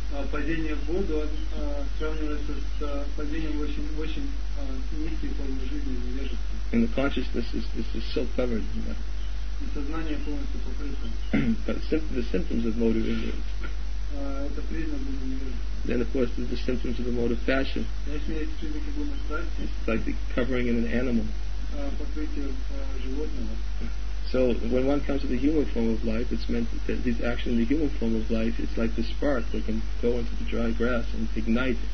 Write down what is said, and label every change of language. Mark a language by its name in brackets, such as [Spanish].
[Russian] Падение в воду сравнивается с падением в очень, очень низкой формы жизни, невежества. [English] And the consciousness is so covered in that. [Russian] И сознание полностью покрыто. [English] But the symptoms of motive ignorance. [Russian] Это признак невежества. [English] Then of course there's the symptoms of the motive passion. It's like the covering in an animal. [Russian] Покрытие животного. [English] So when one comes to the human form of life, it's meant that this action in the human form of life is like the spark that can go into the dry grass and ignite.